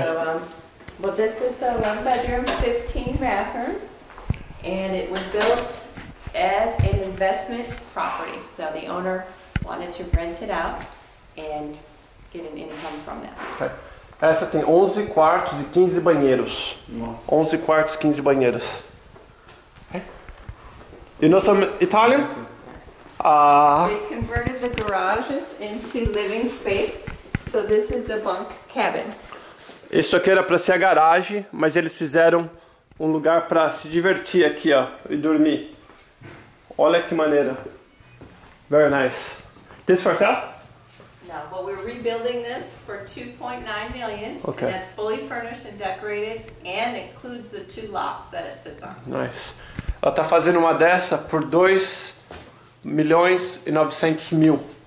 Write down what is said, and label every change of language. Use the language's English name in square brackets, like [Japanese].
[English] So, well, this is a one bedroom, 15 bathroom, and it was built as an investment property. So the owner wanted to rent it out and get an income from that. Okay. [Portuguese] Essa tem 11 quartos e 15 banheiros. Nossa. 11 quartos, 15 banheiros. [English] Okay. You know some Italian? We converted the garages into living space. So this is a bunk cabin. [Portuguese] Isso aqui era para ser a garagem, mas eles fizeram um lugar para se divertir aqui, ó, e dormir. Olha que maneira. [English] Very nice. This for sale? No, but we're rebuilding this for 2.9 million. Okay. And it's fully furnished and decorated and includes the two lots that it sits on. Nice. [Portuguese] Ela tá fazendo uma dessa por 2 milhões e 900 mil.